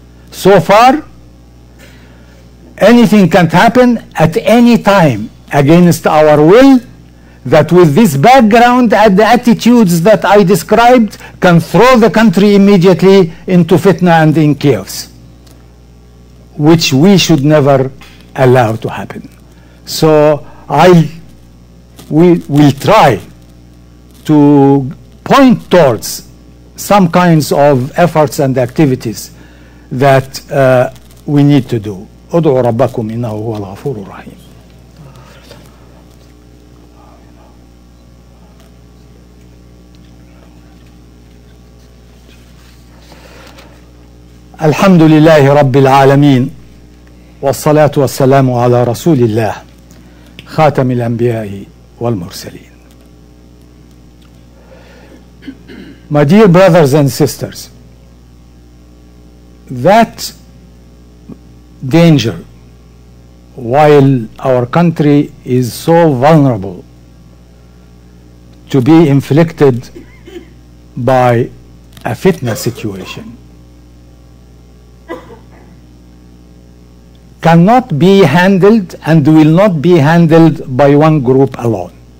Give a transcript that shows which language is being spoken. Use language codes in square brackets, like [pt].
[en] So far, anything can happen at any time against our will, that with this background and the attitudes that I described can throw the country immediately into fitna and in chaos, which we should never allow to happen. So we will try to point towards some kinds of efforts and activities that we need to do. [ar] أدعو ربكم إنه هو الغفور الرحيم. الحمد لله رب العالمين والصلاة والسلام على رسول الله خاتم الأنبياء والمرسلين. [en] My dear brothers and sisters, that danger, while our country is so vulnerable to be inflicted by a fitna situation, cannot be handled and will not be handled by one group alone.